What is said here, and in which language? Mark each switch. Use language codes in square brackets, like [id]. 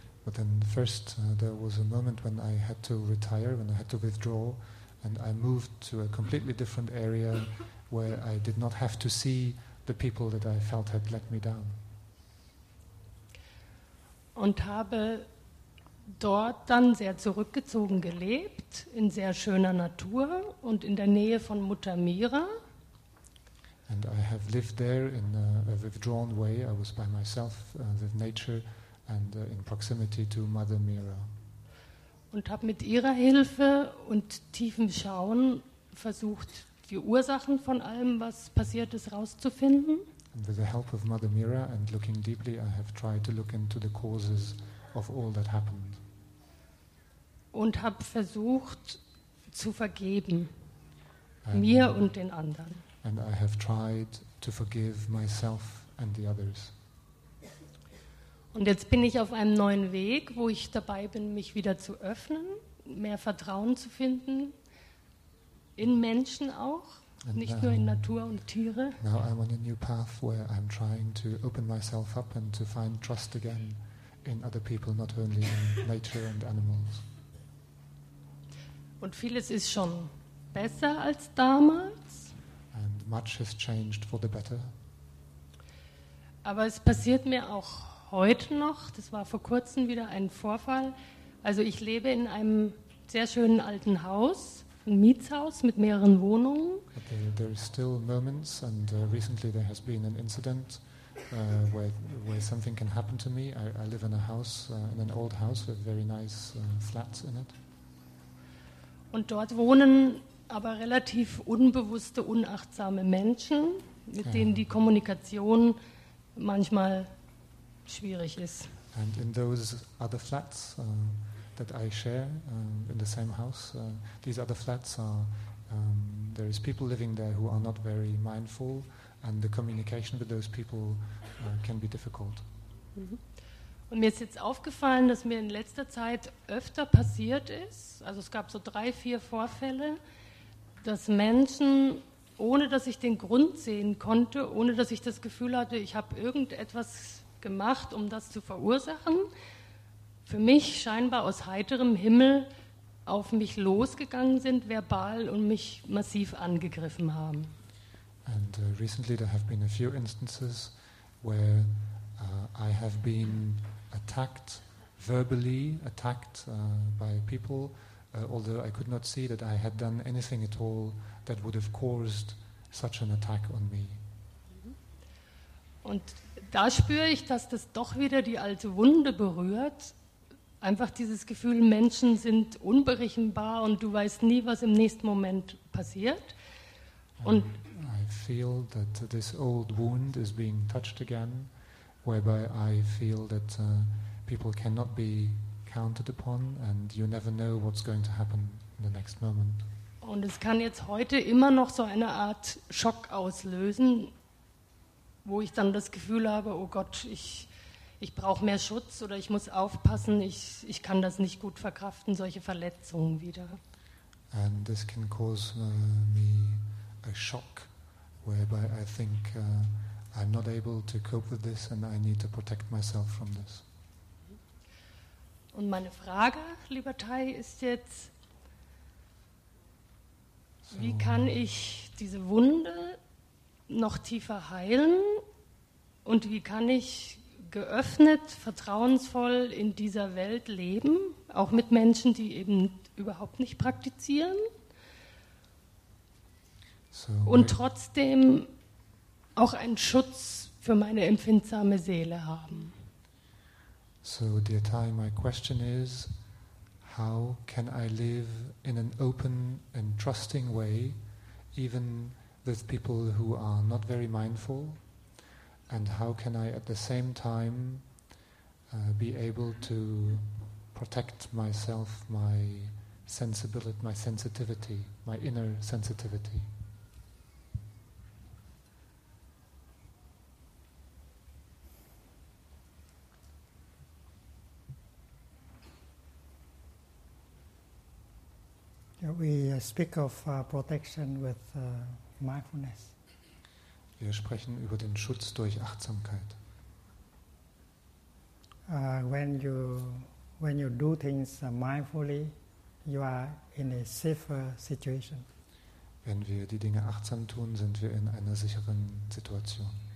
[en] But then first there was a moment when I had to retire, when I had to withdraw, and I moved to a completely different area where I did not have to see the people that I felt had let me down. [de] Und habe dort dann sehr zurückgezogen gelebt, in sehr schöner Natur und in der Nähe von Mutter Mira. [en] And I have lived there in a withdrawn way. I was by myself, with nature and in proximity to Mother Mira. [de] Und habe mit ihrer Hilfe und tiefem Schauen versucht, die Ursachen von allem, was passiert ist, rauszufinden. [en] With the help of Mother Mira and looking deeply, I have tried to look into the causes of all that happened. [de] Und habe versucht zu vergeben, mir und den anderen. [en] And I have tried to forgive myself and the others. [de] Und jetzt bin ich auf einem neuen Weg, wo ich dabei bin, mich wieder zu öffnen, mehr Vertrauen zu finden, in Menschen auch. And nicht nur in Natur und Tiere. [en] Now I'm on a new path where I'm trying to open myself up and to find trust again in other people, not only in nature and animals. [de] Und vieles ist schon besser als damals. [en] And much has changed for the better. [de] Aber es passiert mir auch heute noch. Das war vor kurzem wieder ein Vorfall. Also ich lebe in einem sehr schönen alten Haus. Ein Mietshaus mit mehreren Wohnungen. [en] But there are still moments, and recently there has been an incident where something can happen to me. I live in a house, in an old house with very nice flats in it. [de] Und dort wohnen aber relativ unbewusste, unachtsame Menschen, mit denen die Kommunikation manchmal schwierig ist. [en] And in those other flats that I share in the same house. These other flats are, there is people living there who are not very mindful, and the communication with those people can be difficult. Mm-hmm. [de] Und mir ist jetzt aufgefallen, dass mir in letzter Zeit öfter passiert ist, also es gab so 3-4 Vorfälle, dass Menschen, ohne dass ich den Grund sehen konnte, ohne dass ich das Gefühl hatte, ich habe irgendetwas gemacht, um das zu verursachen, für mich scheinbar aus heiterem Himmel auf mich losgegangen sind, verbal, und mich massiv angegriffen haben. [en] And recently there have been a few instances where I have been attacked verbally, attacked by people, although I could not see that I had done anything at all that would have caused such an attack on me. [de] Und da spüre ich, dass das doch wieder die alte Wunde berührt. Einfach dieses Gefühl, Menschen sind unberechenbar und du weißt nie, was im nächsten Moment passiert. [en] Und I feel that this old wound is being touched again, whereby I feel that people cannot be counted upon and you never know what's going to happen in the next moment. [de] Und es kann jetzt heute immer noch so eine Art Schock auslösen, wo ich dann das Gefühl habe, oh Gott, ich brauche mehr Schutz oder ich muss aufpassen, ich kann das nicht gut verkraften, solche Verletzungen wieder. [en] And this can cause me a shock, whereby I think I'm not able to cope with this and I need to protect myself from this. [de] Und meine Frage, lieber Thay, ist jetzt, wie kann ich diese Wunde noch tiefer heilen und wie kann ich geöffnet, vertrauensvoll in dieser Welt leben, auch mit Menschen, die eben überhaupt nicht praktizieren und trotzdem auch einen Schutz für meine empfindsame Seele haben. [en] So, dear Thay, my question is, how can I live in an open and trusting way, even with people who are not very mindful? And how can I at the same time be able to protect myself, my sensibility, my sensitivity, my inner sensitivity? We speak of protection with mindfulness. [de] Wir sprechen über den Schutz durch Achtsamkeit. [en] When you do things mindfully, you are in a safer situation. [de] Wenn wir die Dinge achtsam tun, sind wir in einer sicheren Situation.